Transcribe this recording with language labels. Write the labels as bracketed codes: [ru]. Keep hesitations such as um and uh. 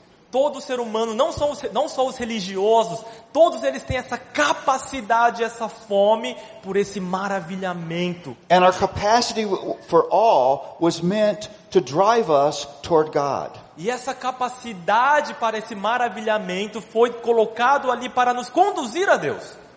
[pt] Todo ser humano, não só, os, não só os religiosos, todos eles têm essa capacidade, essa fome por esse maravilhamento. [en] And our capacity for awe was meant to drive us toward God. [pt] E essa capacidade para esse maravilhamento foi colocado ali para nos conduzir a Deus.